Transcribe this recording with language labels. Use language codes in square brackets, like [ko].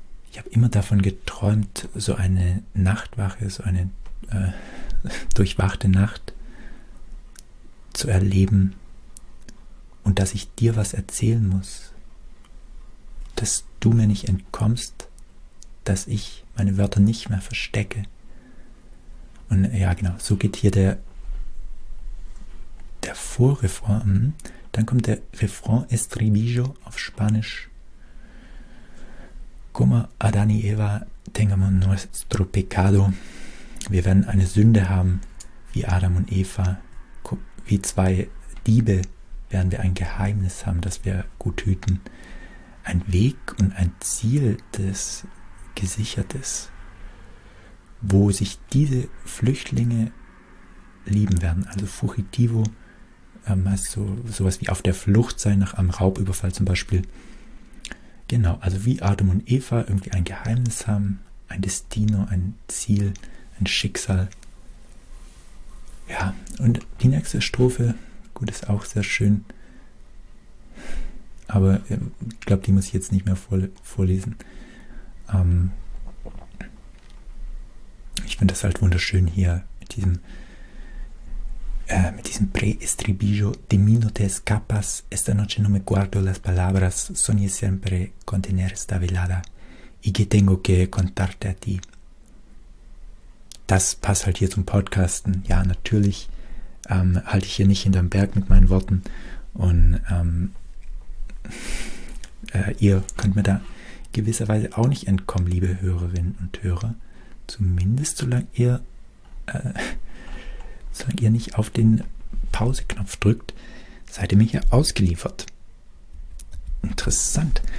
[de] Ich habe immer davon geträumt, so eine Nachtwache, so eine durchwachte Nacht zu erleben und dass ich dir was erzählen muss, dass du mir nicht entkommst, dass ich meine Wörter nicht mehr verstecke. Und ja, genau, so geht hier der Vorrefrain. Dann kommt der Refrain Estribillo auf Spanisch. [es] Como Adán y Eva tengamos nuestro pecado. [de] Wir werden eine Sünde haben, wie Adam und Eva. Wie zwei Diebe werden wir ein Geheimnis haben, das wir gut hüten. Ein Weg und ein Ziel des Gesichertes, wo sich diese Flüchtlinge lieben werden. Also Fugitivo heißt sowas wie auf der Flucht sein, nach einem Raubüberfall zum Beispiel. Genau, also wie Adam und Eva irgendwie ein Geheimnis haben, ein Destino, ein Ziel, ein Schicksal. Ja, und die nächste Strophe, gut, ist auch sehr schön. Aber ich glaube, die muss ich jetzt nicht mehr vorlesen. Ich finde das halt wunderschön hier mit diesem Pre-Estribillo. [es] De mí no te escapas, esta noche no me guardo las palabras, soñé siempre con tener esta velada y que tengo que contarte a ti. [de] Das passt halt hier zum Podcasten. Ja, natürlich halte ich hier nicht hinterm Berg mit meinen Worten und ihr könnt mir da gewisserweise auch nicht entkommen, liebe Hörerinnen und Hörer. Zumindest solange ihr nicht auf den Pauseknopf drückt, seid ihr mir hier ausgeliefert. Interessant.